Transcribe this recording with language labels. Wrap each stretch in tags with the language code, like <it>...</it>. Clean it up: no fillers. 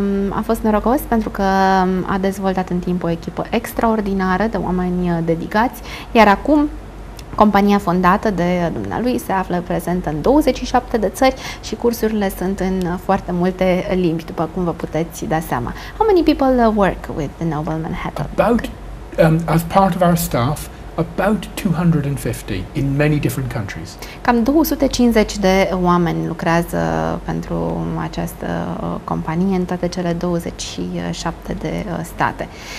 <ro>A fost norocos pentru că a dezvoltat în timp o echipă extraordinară de oameni dedicați, iar acum compania fondată de dumnealui se află prezentă în 27 de țări și cursurile sunt în foarte multe limbi, după cum vă puteți da seama.</ro> <en>How many people work with the Noble Manhattan? About, as part of our staff, about 250 in many different countries.</en> <ro>Cam 250 de oameni lucrează pentru această companie în toate cele 27 de state.</ro>